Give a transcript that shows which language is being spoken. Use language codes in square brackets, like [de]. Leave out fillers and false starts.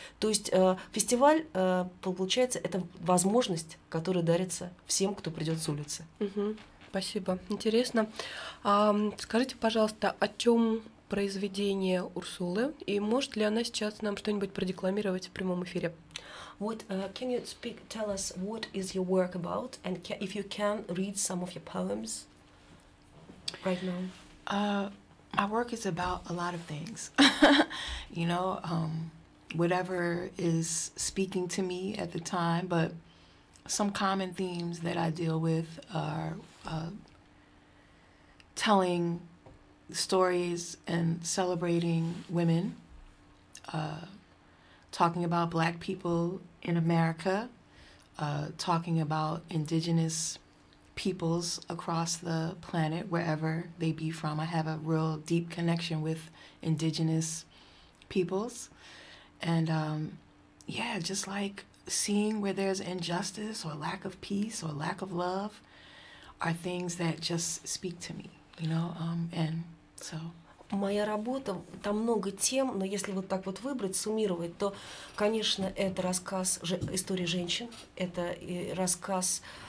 [ru] То есть фестиваль, получается, это возможность, которая дарится всем, кто придет с улицы. Спасибо, интересно. Скажите, пожалуйста, о чем произведение Урсулы, и может ли она сейчас нам что-нибудь продекламировать в прямом эфире? [en] What can you speak, tell us what is your work about, and can, if you can read some of your poems? Right now, My work is about a lot of things, you know, whatever is speaking to me at the time. But some common themes that I deal with are telling stories and celebrating women, talking about Black people in America, talking about indigenous peoples across the planet, wherever they be from. I have a real deep connection with indigenous peoples. And yeah, just like seeing where there's injustice or lack of peace or lack of love are things that just speak to me, you know? And so... [ru] Моя работа, там много тем, но если вот так вот выбрать, суммировать, то, конечно, это рассказ истории женщин, это и рассказ...